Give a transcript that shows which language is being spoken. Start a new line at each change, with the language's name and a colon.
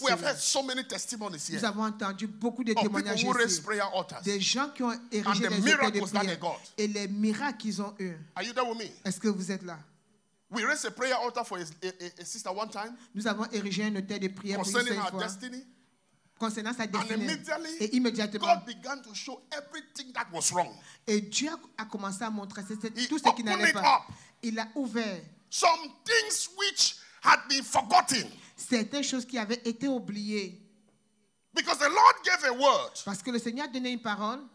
English: we have heard so many testimonies here.
French: Nous avons entendu beaucoup de témoignages
English: people who raise prayer altars.
French: Des gens qui ont érigé
English: and the miracles that they got.
French: Et les miracles qu'ils ont eu.
English: Are you there with me?
French: Est-ce que vous êtes là?
English: We raised a prayer altar for a sister one time.
French: Nous avons érigé un autel de prière pour une fois.
English: Destiny.
French: Concernant sa destinée.
English: And immediately, God began to show everything that was wrong.
French: Et Dieu a commencé à montrer tout ce qui n'allait pas. Il a ouvert.
English: Some things which had been forgotten.
French: Certaines choses qui avaient été oubliées.
English: Because the Lord gave a word.
French: Parce que le Seigneur a donné une parole.